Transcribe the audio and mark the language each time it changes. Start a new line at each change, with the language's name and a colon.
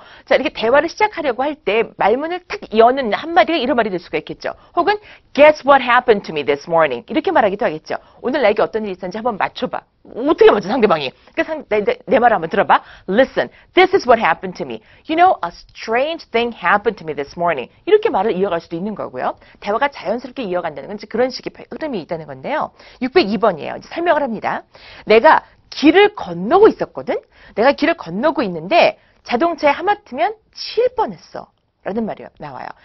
Korean: 자, 이렇게 대화를 시작하려고 할 때 말문을 탁 여는 한마디가 이런 말이 될 수가 있겠죠. 혹은
English: Guess what happened to me this morning.
Korean: 이렇게 말하기도 하겠죠. 오늘 나에게 어떤 일이 있었는지 한번 맞춰봐. 어떻게 맞아 상대방이. 내 말을 한번 들어봐.
English: Listen, this is what happened to me. You know, a strange thing happened to me this morning.
Korean: 이렇게 말을 이어갈 수도 있는 거고요. 대화가 자연스럽게 이어간다는 건 이제 그런 식의 흐름이 있다는 건데요. 602번이에요. 이제 설명을 합니다. 내가 길을 건너고 있었거든. 내가 길을 건너고 있는데 자동차에 하마터면 칠 뻔했어. 라는 말이 나와요.